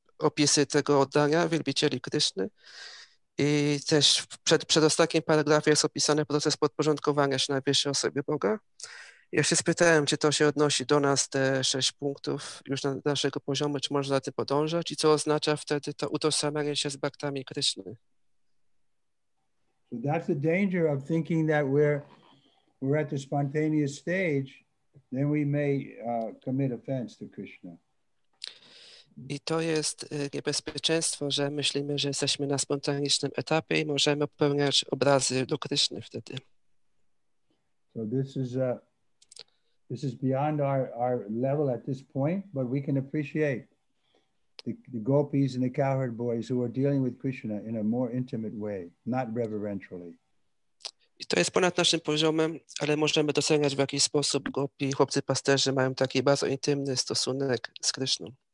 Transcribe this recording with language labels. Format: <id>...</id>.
<pl>opisy tego oddania wielbicieli Kryszny i też w przedostatnim paragrafie jest opisany proces podporządkowania się najwyższej osobie Boga. Ja się spytałem, czy to się odnosi do nas, te sześć punktów już na naszego poziomu, czy można za tym podążać i co oznacza wtedy to utożsamianie się z bhaktami Kryszny.</pl> <en>So that's the danger of thinking that we're at the spontaneous stage, then we may commit offense to Krishna.</en> <pl>I to jest niebezpieczeństwo, że myślimy, że jesteśmy na spontanicznym etapie i możemy popełniać obrazy do Kryszny wtedy.</pl> <en>So this is beyond our level at this point, but we can appreciate the gopis and the cowherd boys who are dealing with Krishna in a more intimate way, not reverentially.</en> <pl>I to jest ponad naszym poziomem, ale możemy doceniać, w jaki sposób gopi, chłopcy pasterzy mają taki bardzo intymny stosunek z Krysznem.</pl>